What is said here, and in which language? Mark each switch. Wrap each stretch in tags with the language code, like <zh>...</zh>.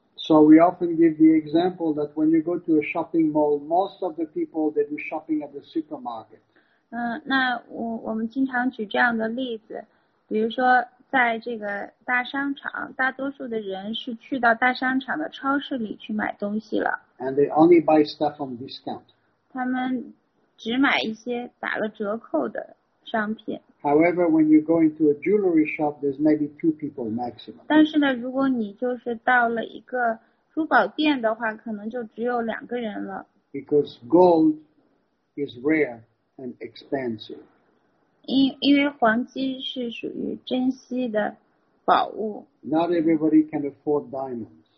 <en>So we often give the example that when you go to a shopping mall, most of the people they do shopping at the supermarket.</en> <zh>那我们经常举这样的例子，比如说在这个大商场，大多数的人是去到大商场的超市里去买东西了。</zh> <en>And they only buy stuff on discount.</en> <zh>他们只买一些打了折扣的商品。</zh> <en>However, when you go into a jewelry shop, there's maybe 2 people maximum.</en> <zh>但是呢，如果你就是到了一个珠宝店的话，可能就只有2个人了。</zh> <en>Because gold is rare and expensive.</en> <zh>因为黄金是属于珍稀的宝物。</zh> <en>Not everybody can afford diamonds.</en>